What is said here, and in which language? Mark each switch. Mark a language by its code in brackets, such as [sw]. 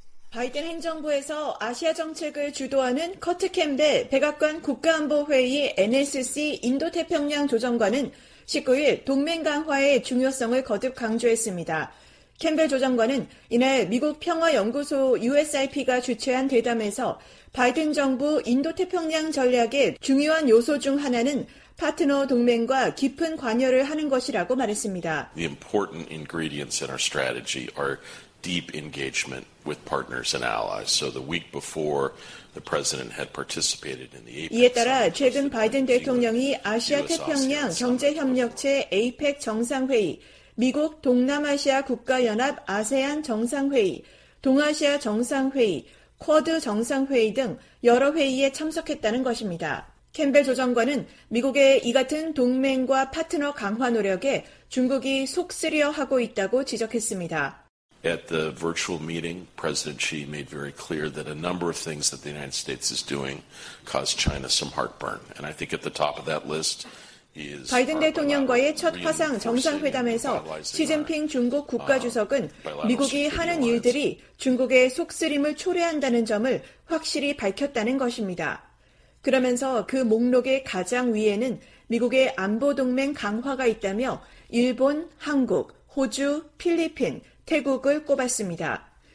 [ko] 바이든 행정부에서 아시아 정책을 주도하는 커트 캠벨 백악관 국가안보회의 NSC 인도태평양 조정관은 19일 동맹 강화의 중요성을 거듭 강조했습니다. 캠벨 조정관은 이날 미국 평화연구소 USIP가 주최한 대담에서 바이든 정부 인도태평양 전략의 중요한 요소 중 하나는 파트너 동맹과 깊은 관여를 하는 것이라고 말했습니다. [en] The important ingredients in our strategy are deep engagement with partners and allies. So the week before the president had participated in the APEC. [ko] 이에 따라 최근 바이든 대통령이 아시아 태평양 경제 협력체 APEC 정상회의, 미국 동남아시아 국가연합 아세안 정상회의, 동아시아 정상회의, 쿼드 정상회의 등 여러 회의에 참석했다는 것입니다. 캠벨 조정관은 미국의 이 같은 동맹과 파트너 강화 노력에 중국이 속쓰려 하고 있다고 지적했습니다. [en] At the virtual meeting, President Xi made very clear that a number of things that the United States is doing caused China some heartburn. And I think at the top of that list is [ko] 바이든 대통령과의 첫 화상 정상회담에서 시진핑 중국 국가주석은 미국이 하는 일들이 중국의 속쓰림을 초래한다는 점을 확실히 밝혔다는 것입니다. 그러면서 그 목록의 가장 위에는 미국의 안보 동맹 강화가 있다며 일본, 한국, 호주, 필리핀, 태국을 꼽았습니다.